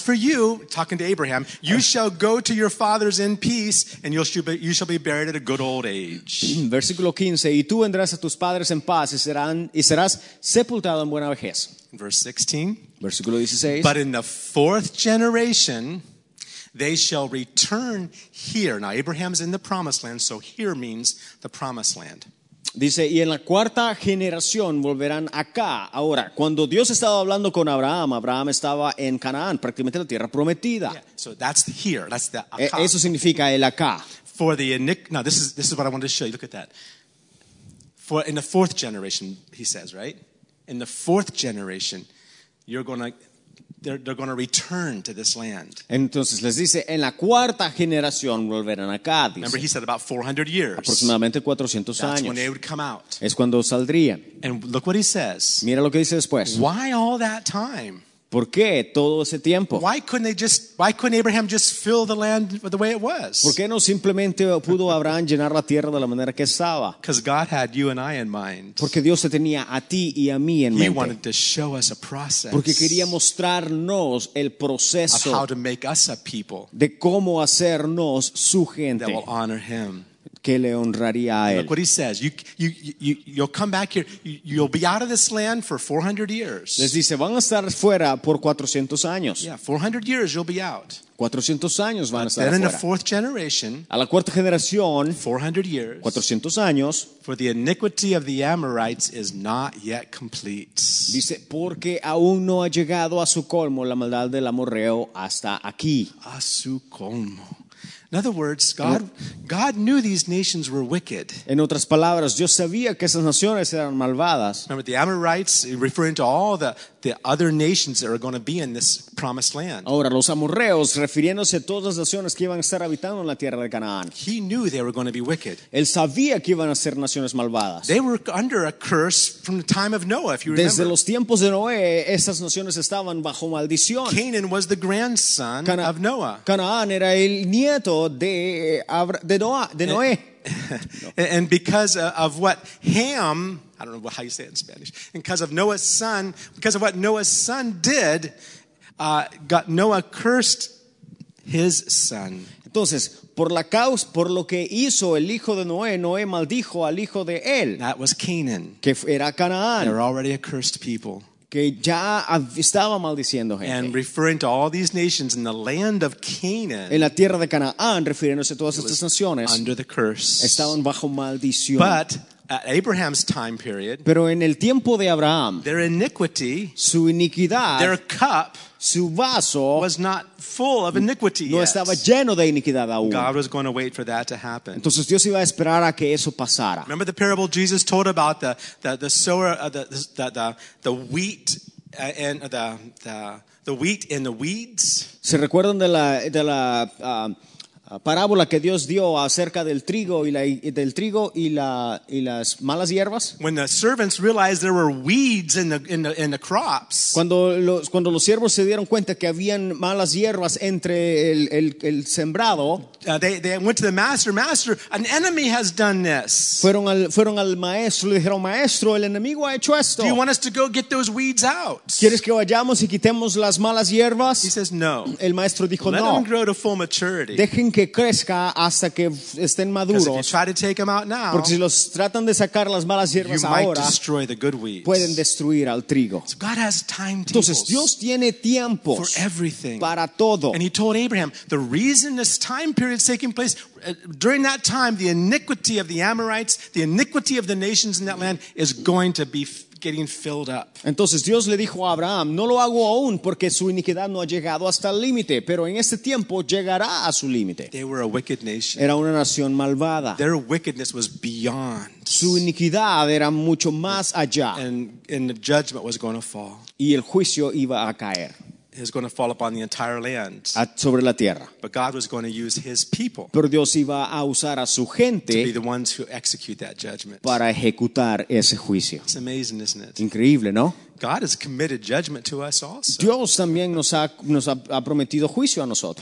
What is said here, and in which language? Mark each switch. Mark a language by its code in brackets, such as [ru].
[en] for you, talking to Abraham, you shall go to your fathers in peace, and you shall be buried at a good old age. [es] Versículo 15, y tú vendrás a tus padres en paz, y serás sepultado en buena vejez. [en] Verse 16. [es] Versículo 16. [en] But in the fourth generation, they shall return here. Now Abraham's in the promised land, so here means the promised land. [es] Dice, y en la cuarta generación volverán acá. Ahora, cuando Dios estaba hablando con Abraham, Abraham estaba en Canaán, prácticamente la tierra prometida. [en] Yeah, so that's here, that's the acá. [es] Eso significa el acá. [en] For the now this is what I wanted to show you, look at that. For in the fourth generation, he says, right? In the fourth generation, they're going to return to this land. [es] Entonces les dice, en la cuarta generación volverán acá, dice. [en] Remember he said about 400 years. [es] Aproximadamente 400 [en] That's [es] años. [en] When they would come out. [es] Es cuando saldrían. [en] And look what he says. [es] Mira lo que dice después. [en] Why all that time? [es] ¿Por qué todo ese tiempo? [en] Why couldn't Abraham just fill the land the way it was? [es] ¿Por qué no simplemente pudo Abraham llenar la tierra de la manera que estaba? [en] Because God had you and I in mind. [es] Porque Dios te tenía a ti y a mí en mente. [en] He wanted to show us a process. [es] Porque quería mostrarnos el proceso [en] of how to make us a people. [es] De cómo hacernos su gente. [en] That will honor him. [es] Que le honraría a él. [en] Look what he says. You'll come back here. You'll be out of this land for 400 years. [es] Les dice, van a estar fuera por 400 años. [en] Yeah, 400 years you'll be out. [es] 400 años van [en] but [es] a estar [en] then In the fourth generation, [es] a la cuarta generación, [en] 400 years, [es] 400 años, [en] for the iniquity of the Amorites is not yet complete. [es] Dice, porque aún no ha llegado a su colmo la maldad del amorreo hasta aquí. A su colmo. [en] In other words, God knew these nations were wicked. [es] En otras palabras, Dios sabía que esas naciones eran malvadas. [en] Remember the Amorites, referring to all the other nations that are going to be in this promised land. [es] Ahora los amorreos, refiriéndose a todas las naciones que iban a estar habitando en la tierra de Canaán. [en] He knew they were going to be wicked. [es] Él sabía que iban a ser naciones malvadas. [en] They were under a curse from the time of Noah, if you [es] desde [en] remember. [es] Desde los tiempos de Noé, esas naciones estaban bajo maldición. [en] Canaan was the grandson of Noah. [es] Canaán era el nieto de Noé. [en] And because of what Ham, I don't know how you say it in Spanish, and because of Noah's son, because of what Noah's son did, Noah cursed his son. [es] Entonces, por la causa, por lo que hizo el hijo de Noé, Noé maldijo al hijo de él. [en] That was Canaan. [es] Que era Canaán. [en] They're already a cursed people. [es] Que ya estaba maldiciendo gente. [en] And referring to all these nations in the land of Canaan. [es] En la tierra de Canaán, refiriéndose a todas estas naciones. [en] Under the curse. [es] Estaban bajo maldición. [en] But at Abraham's time period. [es] Pero en el tiempo de Abraham. [en] Their iniquity. [es] Su iniquidad. [en] Their cup. [es] Su vaso. [en] Was not full of iniquity. [es] No estaba lleno de iniquidad aún. [en] God was going to wait for that to happen. [es] Entonces Dios iba a esperar a que eso pasara. [en] Remember the parable Jesus told about the sower, the wheat and the wheat in the weeds. [es] ¿Se recuerdan de la parábola que Dios dio acerca del trigo y las malas hierbas? [en] When the servants realized there were weeds in the crops. [es] Cuando los siervos se dieron cuenta que habían malas hierbas entre el sembrado. [en] They went to the master, an enemy has done this. [es] Fueron al maestro y dijeron, maestro, el enemigo ha hecho esto. [en] Do you want us to go get those weeds out? [es] ¿Quieres que vayamos y quitemos las malas hierbas? [en] He says no. [es] El maestro dijo [en] let [es] no. [en] Let them grow to full maturity. [es] Dejen que crezca hasta que estén maduros. [en] Because if you try to take them out now, [es] porque si los tratan de sacar las malas hierbas [en] you [es] ahora, [en] might destroy the good weeds. [es] Pueden destruir al trigo. [en] So God has time tables. [es] Entonces Dios tiene tiempos [en] for everything. [es] Para todo. [en] And he told Abraham, the reason this time period is taking place, during that time, the iniquity of the Amorites, the iniquity of the nations in that land is going to be getting filled up. [es] Entonces Dios le dijo a Abraham, no lo hago aún porque su iniquidad no ha llegado hasta el límite, pero en este tiempo llegará a su límite. [en] They were a wicked nation. [es] Era una nación malvada. [en] Their wickedness was beyond. [es] Su iniquidad era mucho más allá. [en] And the judgment was going to fall. [es] Y el juicio iba a caer. [en] Is going to fall upon the entire land. [es] Sobre la tierra. [en] But God was going to use his people. [es] Pero Dios iba a usar a su gente. [en] To be the ones who execute that judgment. [es] Para ejecutar ese juicio. [en] It's amazing, isn't it? [es] Increíble, ¿no? [en] God has committed judgment to us also. [es] Dios también nos ha prometido juicio a nosotros.